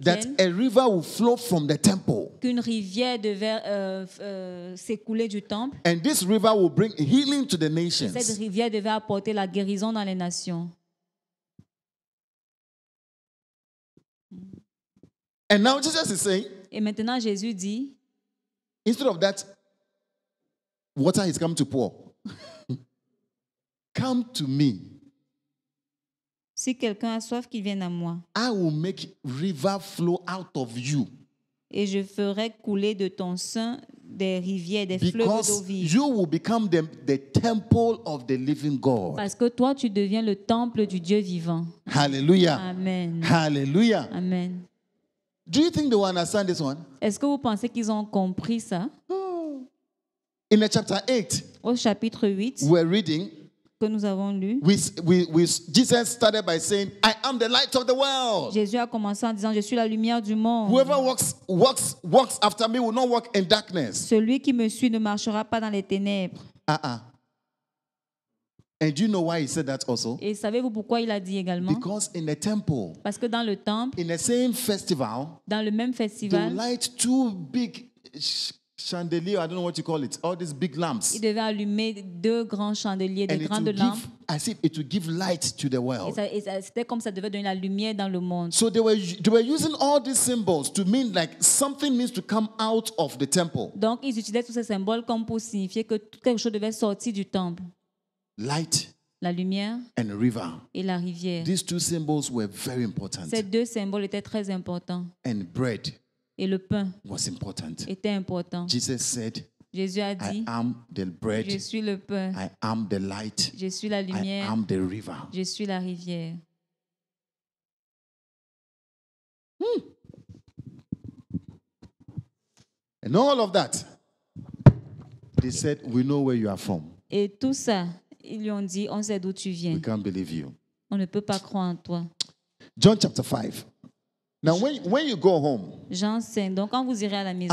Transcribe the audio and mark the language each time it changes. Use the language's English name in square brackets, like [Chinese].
[English] That a river will flow from the temple. [French] Qu'une rivière devait s'écouler du temple. [English] And this river will bring healing to the nations. [French] Cette rivière devait apporter la guérison dans les nations. [English] And now Jesus is saying, [French] et maintenant Jésus dit, [English] instead of that, water is coming to pour. Come to me. [French] Si quelqu'un a soif, qu'il vienne à moi. [English] I will make river flow out of you. [French] Et je ferai couler de ton sein des rivières, des fleuves d'eau vive. [English] Because you will become the temple of the living God. [French] Parce que toi, tu deviens le temple du Dieu vivant. [English] Hallelujah. Amen. Hallelujah. Amen. Do you think they will understand this one? [French] Est-ce que vous pensez qu'ils ont compris ça? [English] In the chapter 8. [French] Au chapitre 8. [English] We're reading. [French] Que nous avons lu. [English] We Jesus started by saying, I am the light of the world. [French] Jésus a commencé en disant, je suis la lumière du monde. [English] Whoever walks after me will not walk in darkness. [French] Celui qui me suit ne marchera pas dans les ténèbres. [English] And do you know why he said that also? [French] Et savez-vous pourquoi il a dit également? [English] Because in the temple. [French] Parce que dans le temple. [English] In the same festival. [French] Dans le même festival. [English] The light too big. Chandelier, I don't know what you call it. All these big lamps. [French] Il devait allumer deux grands chandeliers, des grandes lampes. [English] I said it would give light to the world. [French] C'était comme ça devait donner la lumière dans le monde. [English] So they were using all these symbols to mean like something needs to come out of the temple. [French] Donc ils utilisaient tous ces symboles comme pour signifier que quelque chose devait sortir du temple. [English] Light. [French] La lumière. [English] And river. [French] Et la rivière. [English] These two symbols were very important. [French] Ces deux symboles étaient très importants. [English] And bread. [French] Et le pain [English] was important. [French] Était important. [English] Jesus said, [French] Jésus a dit, [English] I am the bread. [French] Je suis le pain. [English] I am the light. [French] Je suis la lumière. [English] I am the river. [French] Je suis la rivière. [English] And all of that, they said, we know where you are from. [French] Et tout ça, ils lui ont dit, on sait d'où tu viens. [English] We can't believe you. [French] On ne peut pas croire en toi. [English] John chapter 5. Now, when you go home, [French] Jean 5, donc quand vous irez à la maison,